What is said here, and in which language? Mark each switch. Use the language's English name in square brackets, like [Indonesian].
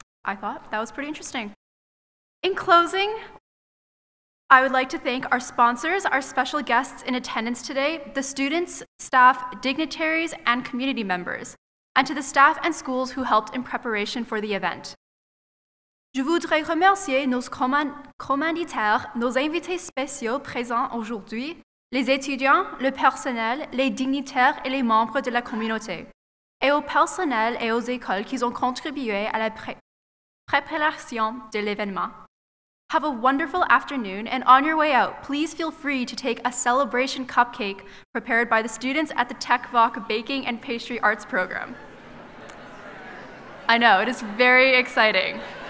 [English] I thought that was pretty interesting. In closing, I would like to thank our sponsors, our special guests in attendance today, the students, staff, dignitaries, and community members, and to the staff and schools who helped in preparation for the event. [French] Je voudrais remercier nos commanditaires, nos invités spéciaux présents aujourd'hui, les étudiants, le personnel, les dignitaires et les membres de la communauté, et au personnel et aux écoles qui ont contribué à la préparation de l'événement. [English] Have a wonderful afternoon, and on your way out, please feel free to take a celebration cupcake prepared by the students at the Tec-Voc Baking and Pastry Arts Program. I know, it is very exciting.